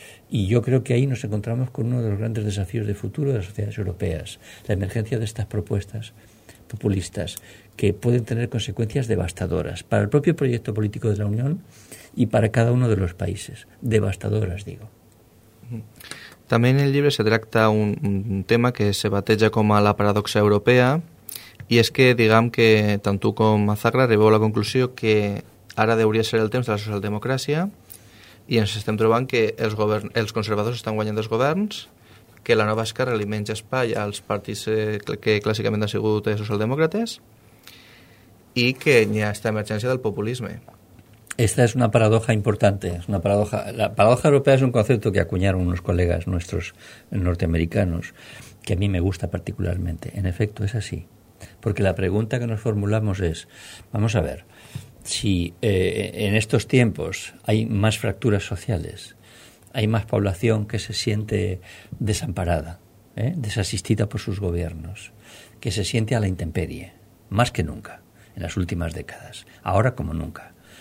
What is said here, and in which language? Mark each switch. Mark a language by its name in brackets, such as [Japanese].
[Spanish] Y yo creo que ahí nos encontramos con uno de los grandes desafíos de futuro de las sociedades europeas, la emergencia de estas propuestas populistas, que pueden tener consecuencias devastadoras para el propio proyecto político de la Unión y para cada uno de los países. Devastadoras, digo. También en el [Catalan] llibre se tracta un tema que se bateja com a la paradoxa europea, i és que, diguem que tant tu com Mazarra arribeu a la conclusió que ara hauria ser el temps de la socialdemocràcia i ens estem trobant que els conservadors estan guanyant els governs, que la nova esquerra li menja espai als partits que clàssicament han sigut socialdemòcrates i que hi ha aquesta emergència del populisme. [Spanish] Esta es una paradoja importante. Es una paradoja. La paradoja europea es un concepto que acuñaron unos colegas nuestros norteamericanos, que a mí me gusta particularmente. En efecto, es así. Porque la pregunta que nos formulamos es, vamos a ver, si en estos tiempos hay más fracturas sociales, hay más población que se siente desamparada, desasistida por sus gobiernos, que se siente a la intemperie, más que nunca, en las últimas décadas, ahora como nunca.